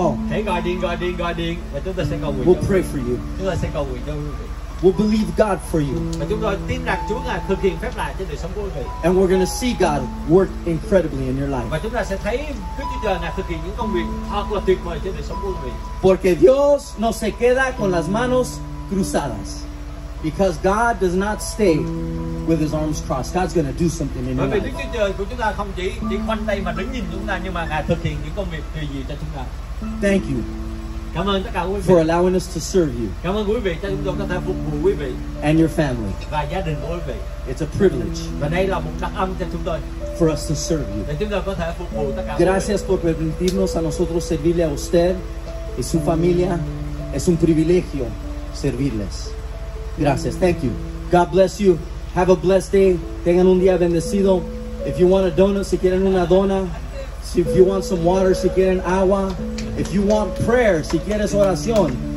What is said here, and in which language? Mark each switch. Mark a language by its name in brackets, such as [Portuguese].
[English] Hey, God, [Vietnamese] và chúng ta sẽ cầu nguyện. [English] We'll pray for you. [Vietnamese] Chúng ta sẽ cầu nguyện cho quý vị. [English] We'll believe God for you. [Vietnamese] Và chúng ta tin rằng Chúa ngài thực hiện phép lạ trên đời sống của quý vị. [English] And we're gonna see God work incredibly in your life. [Vietnamese] Và chúng ta sẽ thấy Đức Chúa Trời ngài thực hiện những công việc thật là tuyệt vời trên đời sống của quý vị. [Spanish] Porque Dios no se queda con las manos cruzadas. [English] Because God does not stay with his arms crossed. God's going to do something in your life. [Vietnamese] Đức Chúa Trời của chúng ta không chỉ khoanh tay mà đứng nhìn chúng ta, nhưng mà ngài thực hiện những công việc tùy gì cho chúng ta. [English] Thank you. [Vietnamese] Cảm ơn tất cả quý vị. [English] For allowing us to serve you. [Vietnamese] Cảm ơn quý vị cho chúng tôi có thể phục vụ quý vị. [English] And your family. [Vietnamese] Và gia đình của quý vị. [English] It's a privilege. [Vietnamese] Và đây là một đặc ân cho chúng tôi. [English] For us to serve you. [Vietnamese] Để chúng tôi có thể phục vụ tất cả. [Spanish] Gracias por permitirnos a nosotros servirle a usted y su familia. Es un privilegio servirles. Gracias. [English] Thank you. God bless you. Have a blessed day. [Spanish] Tengan un día bendecido. [English] If you want a donut, [Spanish] si quieren una dona. [English] If you want some water, [Spanish] si quieren agua. [English] If you want prayer, [Spanish] si quieres oración.